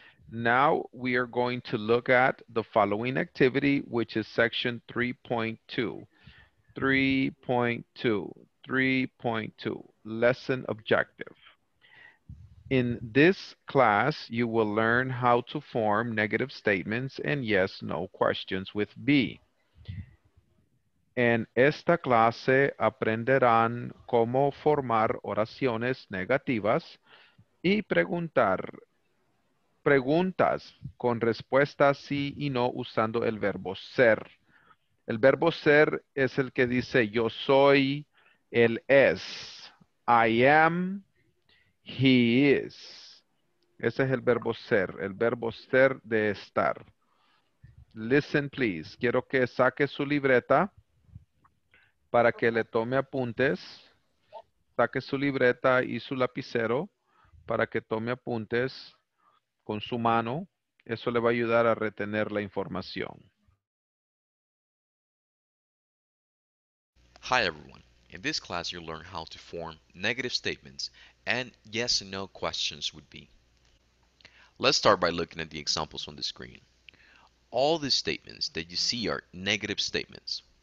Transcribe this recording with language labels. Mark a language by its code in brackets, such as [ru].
[en] Now we are going to look at the following activity, which is section 3.2. 3.2. 3.2, lesson objective. In this class, you will learn how to form negative statements and yes/no questions with be. [es] En esta clase aprenderán cómo formar oraciones negativas y preguntar preguntas con respuestas sí y no usando el verbo ser. El verbo ser es el que dice yo soy. Él es. [en] I am. He is. [es] Ese es el verbo ser. El verbo ser de estar. [en] Listen, please. [es] Quiero que saque su libreta para que le tome apuntes. Saque su libreta y su lapicero para que tome apuntes con su mano. Eso le va a ayudar a retener la información. [en] Hi, everyone. In this class, you'll learn how to form negative statements and yes and no questions would be. Let's start by looking at the examples on the screen. All the statements that you see are negative statements.